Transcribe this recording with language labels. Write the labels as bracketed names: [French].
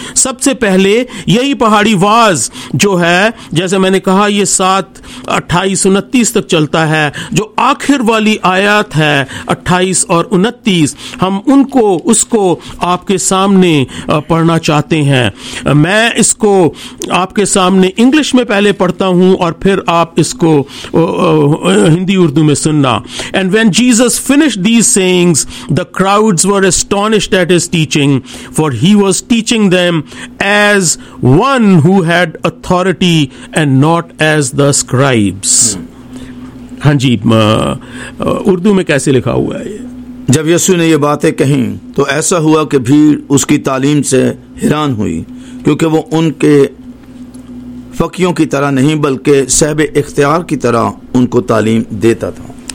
[Urdu] سب سے پہلے یہی پہاڑی واز جو ہے، جیسے میں نے کہا یہ 7:28-29 تک چلتا ہے، جو آخر والی آیات ہے 28 اور 29، ہم ان کو اس کو آپ کے سامنے پڑھنا چاہتے ہیں. میں اس کو آپ کے سامنے انگلش میں پہلے پڑھتا ہوں اور پھر آپ اس کو ہندی اردو میں سننا. [English] And when Jesus finished these sayings, the crowds were astonished at his teaching, for he was teaching them as one who had authority and not as the scribes. [Urdu] ہاں جی، اردو میں کیسے لکھا ہوا ہے؟ جب یسوع نے یہ باتیں کہیں تو ایسا ہوا کہ بھیڑ اس کی تعلیم سے حیران ہوئی، کیونکہ وہ ان کے فقیوں کی طرح نہیں بلکہ صاحب اختیار کی طرح ان کو تعلیم دیتا تھا.